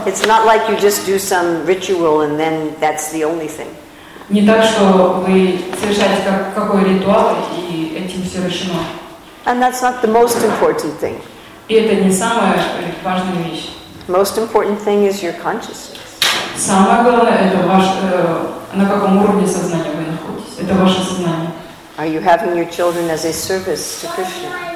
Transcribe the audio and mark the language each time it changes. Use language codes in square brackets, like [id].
[en] It's not like you just do some ritual and then that's the only thing. [ru] Не так, что вы совершаете какой ритуал и этим все решено. [en] And that's not the most important thing. [ru] И это не самая важная вещь. [en] Most important thing is your consciousness. [ru] Самое главное – это ваш, на каком уровне сознания вы находитесь. Это ваше сознание. [en] Are you having your children as a service to Krishna?